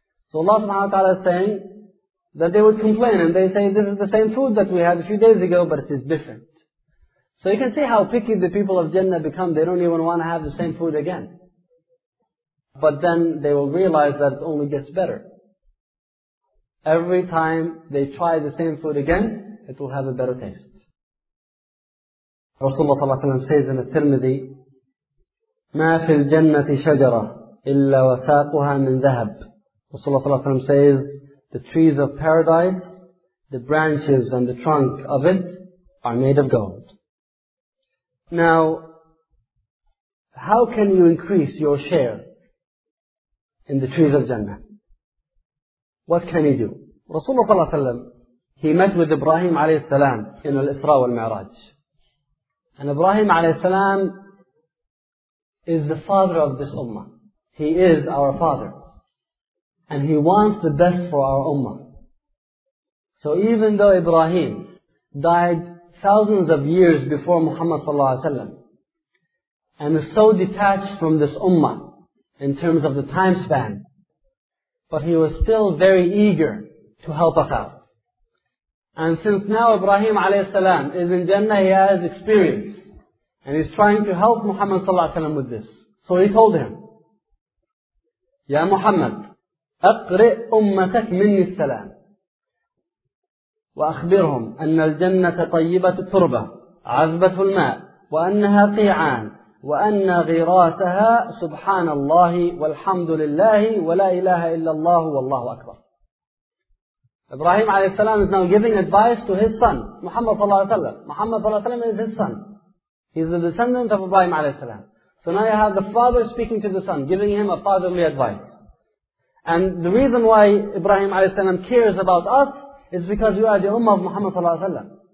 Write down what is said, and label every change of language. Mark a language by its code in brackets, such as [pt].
[en] So Allah subhanahu wa ta'ala is saying that they would complain and they say, this is the same food that we had a few days ago, but it is different. So you can see how picky the people of Jannah become. They don't even want to have the same food again. But then they will realize that it only gets better. Every time they try the same food again, it will have a better taste. Rasulullah says in At-Tirmidhi, [ar] مَا فِي الْجَنَّةِ شَجَرَةٍ إِلَّا وَسَاقُهَا مِنْ ذَهَبٍ. [en] Rasulullah says, the trees of paradise, the branches and the trunk of it are made of gold. Now, how can you increase your share in the trees of Jannah? What can you do? Rasulullah ﷺ, he met with Ibrahim ﷺ in Al-Isra wal-Mi'raj. And Ibrahim ﷺ is the father of this ummah. He is our father. And he wants the best for our ummah. So even though Ibrahim died thousands of years before Muhammad sallallahu alaihi wasallam, and is so detached from this ummah in terms of the time span, but he was still very eager to help us out. And since now Ibrahim alayhi salam is in Jannah, he has experience, and he's trying to help Muhammad sallallahu alaihi wasallam with this. So he told him, [ar] Ya Muhammad, أقرئ أمتك مني السلام وأخبرهم أن الجنة طيبة التربة عذبة الماء وأنها قيعان وأن غراسها سبحان الله والحمد لله ولا إله إلا الله والله أكبر. [en] Ibrahim عليه السلام is now giving advice to his son Muhammad صلى الله عليه وسلم. Muhammad صلى الله عليه وسلم is his son. He is the descendant of Ibrahim عليه السلام. So now you have the father speaking to the son, giving him a fatherly advice. And the reason why Ibrahim alayhi salam cares about us is because you are the ummah of Muhammad sallallahu alayhi wasallam.